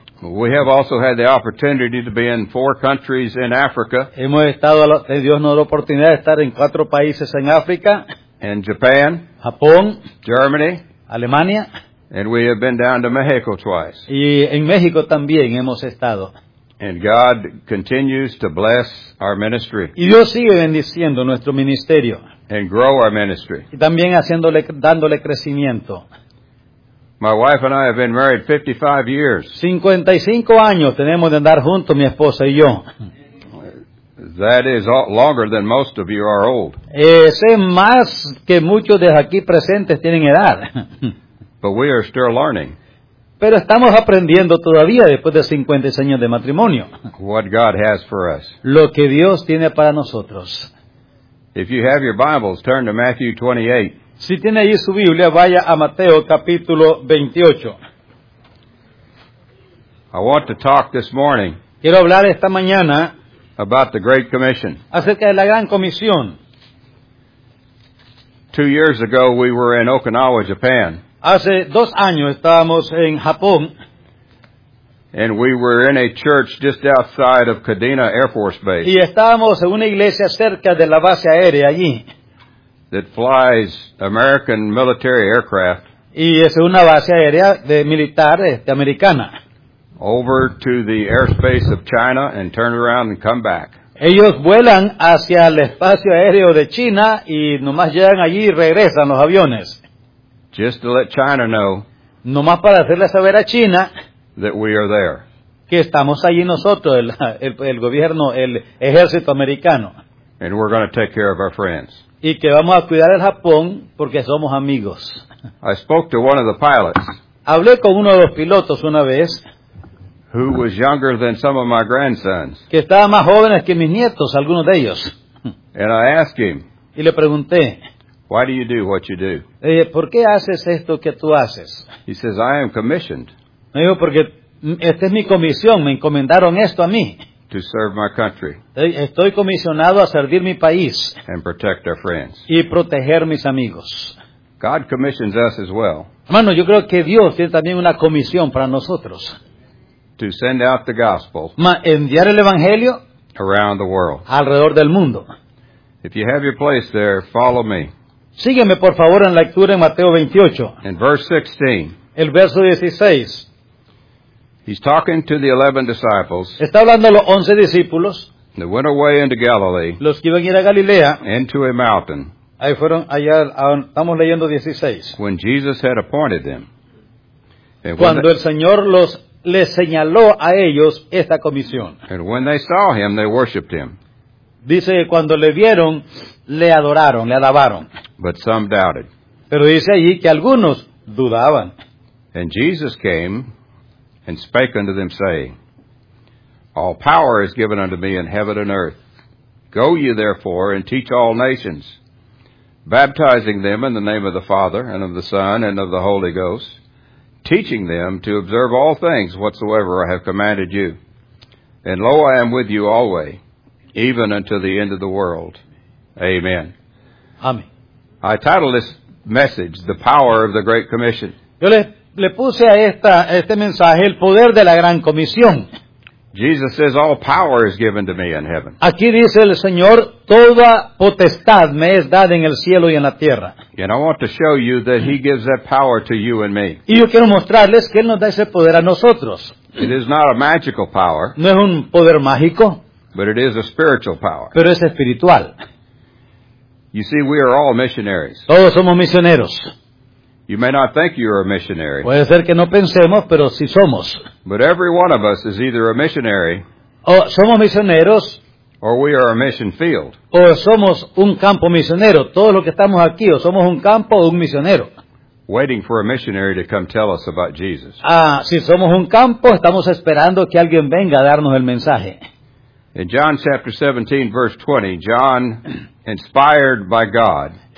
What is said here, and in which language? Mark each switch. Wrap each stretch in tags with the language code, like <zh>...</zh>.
<en>We have also had the opportunity to be in four countries in Africa.</en> <es>Hemos estado, Dios nos dio la oportunidad de estar en cuatro países en África.</es> <en>In Japan,</en> <es>Japón,</es> <en>Germany,</en> <es>Alemania.</es> <en>And we have been down to Mexico twice.</en> <es>Y en México también hemos estado.</es> <en>And God continues to bless our ministry.</en> <es>Y Dios sigue bendiciendo nuestro ministerio.</es> <en>And grow our ministry.</en> <es>Y también haciéndole, dándole crecimiento.</es> <en>My wife and I have been married 55 years.</en> <es>55 años tenemos de andar juntos, mi esposa y yo.</es> <en>That is longer than most of you are old.</en> <es>Ese es más que muchos de aquí presentes tienen edad.</es> <en>But we are still learning.</en> <es>Pero estamos aprendiendo todavía después de 50 años de matrimonio.</es> <en>What God has for us.</en> <es>Lo que Dios tiene para nosotros.</es> <en>If you have your Bibles, turn to Matthew 28.</en> <es>Si tiene ahí su Biblia, vaya a Mateo capítulo 28.</es> <en>I want to talk this morning.</en> <es>Quiero hablar esta mañana.</es> <en>About the Great Commission.</en> <es>Acerca de la Gran Comisión.</es> <en>2 years ago, we were in Okinawa, Japan.</en> <es>Hace 2 años estábamos en Japón.</es> <en>And we were in a church just outside of Kadena Air Force Base.</en> <es>Y estábamos en una iglesia cerca de la base aérea allí.</es> <en>That flies American military aircraft.</en> <es>Y es una base aérea de militar americana.</es> <en>Over to the airspace of China and turn around and come back.</en> <es>Ellos vuelan hacia el espacio aéreo de China y nomás llegan allí y regresan los aviones.</es> <en>Just to let China know,</en> <es>nomás para hacerle saber a China,</es> <en>that we are there,</en> <es>que estamos allí nosotros, el gobierno, el ejército americano,</es> <en>and we're going to take care of our friends,</en> <es>y que vamos a cuidar el Japón porque somos amigos.</es> <en>I spoke to one of the pilots,</en> <es>hablé con uno de los pilotos una vez,</es> <en>who was younger than some of my grandsons,</en> <es>que estaba más jóvenes que mis nietos, algunos de ellos,</es> <en>and I asked him,</en> <es>y le pregunté.</es> <en>Why do you do what you do?</en> <es>¿Por qué haces esto que tú haces?</es> <en>He says, I am commissioned.</en> <es>Me dijo, porque esta es mi comisión, me encomendaron esto a mí.</es> <en>To serve my country.</en> <es>Estoy comisionado a servir mi país.</es> <en>And protect our friends.</en> <es>Y proteger mis amigos.</es> <en>God commissions us as well.</en> <es>Hermano, yo creo que Dios tiene también una comisión para nosotros.</es> <en>To send out the gospel.</en> <es>Enviar el evangelio.</es> <en>Around the world.</en> <es>Alrededor del mundo.</es> <en>If you have your place there, follow me.</en> <es>Sígueme, por favor, en la lectura en Mateo 28.</es> <en>In verse 16.</en> <es>El verso 16.</es> <en>He's talking to the 11 disciples.</en> <es>Está hablando a los 11 discípulos.</es> <en>They went away into Galilee.</en> <es>Los que iban a ir a Galilea.</es> <en>Into a mountain.</en> <es>Ahí fueron allá, estamos leyendo 16.</es> <en>When Jesus had appointed them.</en> <es>cuando el Señor los le señaló a ellos esta comisión.</es> <en>And when they saw him, they worshiped him.</en> <es>Dice que cuando le vieron, le adoraron, le alabaron.</es> <en>But some doubted.</en> <es>Pero dice allí que algunos dudaban.</es> <en>And Jesus came and spake unto them, saying, All power is given unto me in heaven and earth. Go ye therefore and teach all nations, baptizing them in the name of the Father and of the Son and of the Holy Ghost, teaching them to observe all things whatsoever I have commanded you. And lo, I am with you alway, even unto the end of the world. Amen.</en> <es>Amen.</es> <en>I titled this message, The Power of the Great Commission.</en> <es>Yo le puse a este mensaje, El Poder de la Gran Comisión.</es> <en>Jesus says, all power is given to me in heaven.</en> <es>Aquí dice el Señor, toda potestad me es dada en el cielo y en la tierra.</es> <en>And I want to show you that he gives that power to you and me.</en> <es>Y yo quiero mostrarles que él nos da ese poder a nosotros.</es> <en>It is not a magical power.</en> <es>No es un poder mágico.</es> <en>But it is a spiritual power.</en> <es>Pero es espiritual.</es> <en>You see, we are all missionaries.</en> <es>Todos somos misioneros.</es> <en>You may not think you're a missionary.</en> <es>Puede ser que no pensemos, pero sí somos.</es> <en>But every one of us is either a missionary.</en> <es>O somos misioneros.</es> <en>Or we are a mission field.</en> <es>O somos un campo misionero. Todos los que estamos aquí, o somos un campo o un misionero.</es> <en>Waiting for a missionary to come tell us about Jesus.</en> <es>Si somos un campo, estamos esperando que alguien venga a darnos el mensaje.</es> <en>In John chapter 17, verse 20, John, inspired by God.</en>